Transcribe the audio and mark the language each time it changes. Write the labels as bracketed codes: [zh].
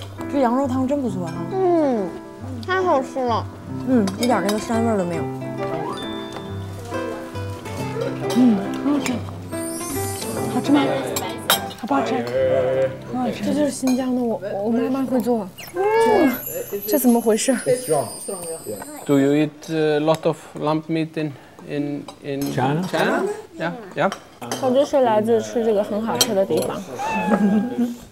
[zh] 这羊肉汤真不错啊。嗯。太好吃了。嗯，一点那个膻味都没有。嗯，好吃，好吃吗？好不好吃？很好吃。这就是新疆的，我妈妈会做。嗯，这怎么回事 [en] ？Do you eat a lot of lamb meat in China? China? Yeah, yeah. [zh] 我就是来自吃这个很好吃的地方。